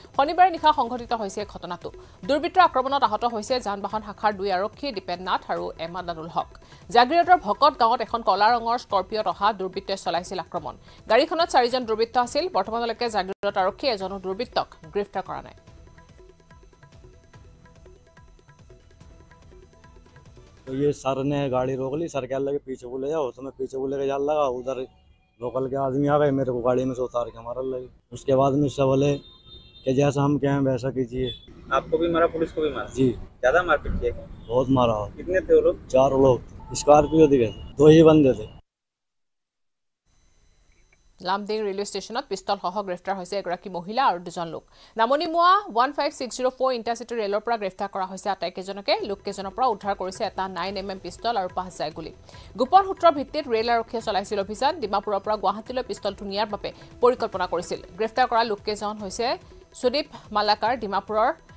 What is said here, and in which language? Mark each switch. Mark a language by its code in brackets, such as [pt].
[as] শনিবাৰে নিশা সংঘটিত হৈছে এই ঘটনাটো। দুৰ্বৃত্তৰ আক্ৰমণত আহত হৈছে যান বাহন শাখাৰ 2 আৰক্ষী দীপেন নাথ আৰু এমাদানুল হক। জাগিৰোডৰ ভকত গাঁৱত এখন কলা ৰঙৰ স্কৰ্পিঅ'ত অহা দুৰ্বৃত্তই চলাইছিল আক্ৰমণ। গাড়ীখনত 4 দুৰ্বৃত্ত আছিল। বৰ্তমানলৈকে জাগিৰোডত আৰক্ষীয়ে এজনো দুৰ্বৃত্তক গ্ৰেপ্তাৰ কৰা নাই। [hi] ये सर ने गाड़ी रोक ली, सर कह लगे पीछे बोले जाओ, तो मैं पीछे बोले के जाल लगा, उधर लोकल के आदमी आ गए मेरे को गाड़ी में से उतार के मारने लगे। उसके बाद में सब बोले कि जैसा हम कहें वैसा कीजिए। आपको भी मारा, पुलिस को भी मारा? जी। ज्यादा मारपीट किया क्या? बहुत मारा। कितने थे वो लोग? 4 लोग, स्कॉर्पियो दिखे थे, 2 ही बंदे थे। [as] লামডিং ৰেলৱে ষ্টেচনত পিষ্টলসহ গ্ৰেপ্তাৰ হৈছে এগৰাকী মহিলা আৰু দুজন লোক। নামনিমোৱা 15604 ইণ্টাৰচিটি ৰেলৰ পৰা গ্ৰেপ্তাৰ কৰা হৈছে আটাইকেইজনকে। লোককেইজনৰ পৰা উদ্ধাৰ কৰিছে 9mm পিষ্টল আৰু 5 গুলী। গোপন সূত্ৰৰ ভিত্তিত ৰেল আৰক্ষীয়ে চলাইছিল অভিযান। ডিমাপুৰৰ পৰা গুৱাহাটীলৈ পিষ্টলটো নিয়াৰ বাবে পৰিকল্পনা কৰিছিল। গ্ৰেপ্তাৰ কৰা লোককেইজন হৈছে সুদীপ মালাকাৰ ডিমাপুৰৰ,